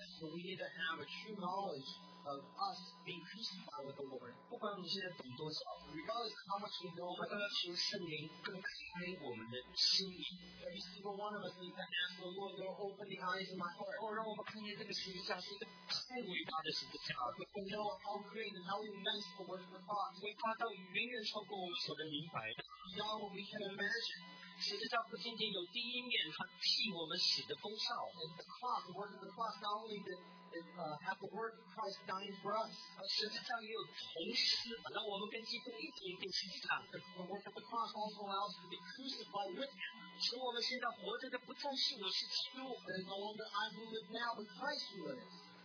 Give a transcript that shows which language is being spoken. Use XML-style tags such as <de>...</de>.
<en>We need to have a true knowledge of us being crucified with the Lord.</en> <zh>不管我们现在懂多少,</zh> <en>regardless of how much we know, we need to ask the Lord every single one of us needs to ask the Lord to open the eyes of my heart.</en> <zh>让我们看见这个世界上是一个太伟大的十字架。</zh> <en>We know how great and how immense the word of God.</en> <zh>伟大到远远超过我们所能明白的。</zh> <en>Beyond what we can imagine.</en> <zh>实际上不仅仅有第一面,它替我们死的功效,</zh> <en>and the cross, the work of the cross, not only did it have the work of Christ dying for us,</en> <zh>实际上也有同时,</zh> <en>the work of the cross also allows us to be crucified with Him.</en> <zh>使我们现在活着的不再是我是基督,</zh> <en>that it's no longer I who live now, but Christ who lives.</en>